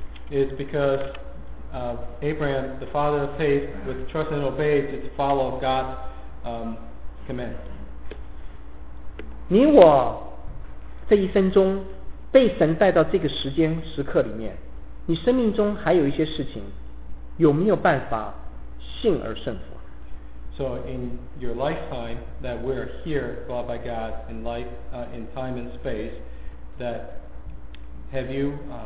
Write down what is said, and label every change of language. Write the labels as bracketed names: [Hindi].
[English] It's because Abraham, the father of faith, with trust and obey, just follow God's command. [Chinese] 你我这一生中被神带到这个时间时刻里面，你生命中还有一些事情，有没有办法信而顺服？ [English] So in your lifetime that we're here, brought by God, in life, in time and space, that have you,